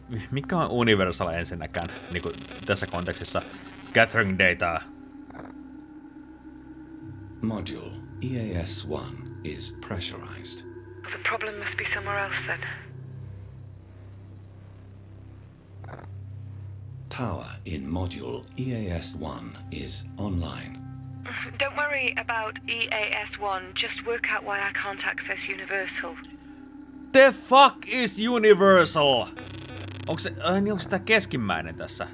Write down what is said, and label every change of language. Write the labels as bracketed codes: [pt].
[fi] Mikä on Universal ensinnäkään niin kuin tässä kontekstissa? [en] Gathering data. Module EAS-1 is pressurized. The problem must be somewhere else then. Power in module EAS-1 is online. Don't worry about EAS-1, just work out why I can't access Universal. The fuck is Universal? [fi] Onko se, niin onko se tää keskimmäinen tässä?